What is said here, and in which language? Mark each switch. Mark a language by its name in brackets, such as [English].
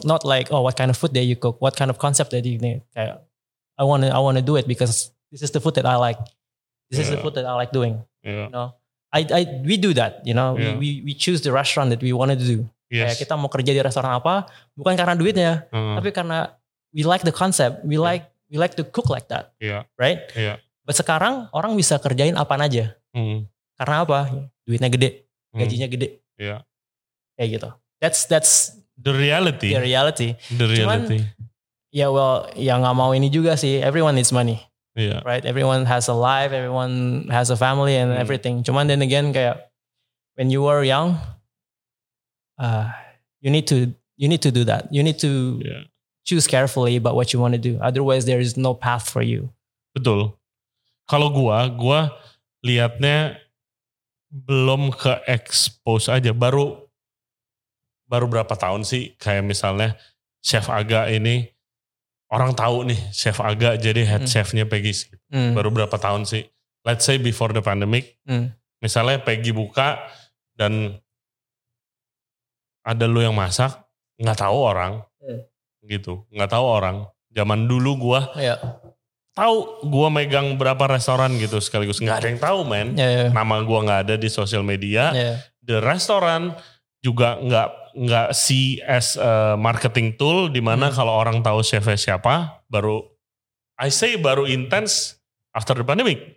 [English] Not like what kind of food that you cook, what kind of concept that you need. I want to do it because this is the food that I like. This is the food that I like doing. Yeah. You know, we do that. You know, we choose the restaurant that we wanted to do. Yes. [Indonesian] Kayak kita mau kerja di restoran apa? Bukan karena duitnya, tapi karena [English] we like the concept. We like to cook like that. Yeah. Right. Yeah. [Indonesian] But sekarang orang bisa kerjain apa aja. Hmm. Karena apa? Duitnya gede, gajinya gede. [English] Yeah. [Indonesian] Kayak gitu. That's [English] the reality. The reality. Cuman, yeah. [Indonesian] Well, yang nggak mau ini juga sih. [English] Everyone needs money. Yeah. Right. Everyone has a life. Everyone has a family and everything. Cuman then again, kayak when you were young, you need to do that. You need to choose carefully about what you want to do. Otherwise, there is no path for you. [Indonesian] Betul. Kalau gua liatnya belum ke expose aja. Baru berapa tahun sih? Kayak misalnya Chef Aga ini. Orang tahu nih Chef Aga jadi head chef-nya Peggy. Baru berapa tahun sih? [English] Let's say before the pandemic. [Indonesian] Misalnya Peggy buka dan ada lu yang masak, enggak tahu orang. Gitu. Enggak tahu orang. Zaman dulu gua tahu gua megang berapa restoran gitu sekaligus. Enggak ada yang tahu, man. Nama gua enggak ada di sosial media. The restaurant juga enggak [English] see as a marketing tool [Indonesian] di mana kalau orang tahu chef-nya siapa baru intense [English] after the pandemic.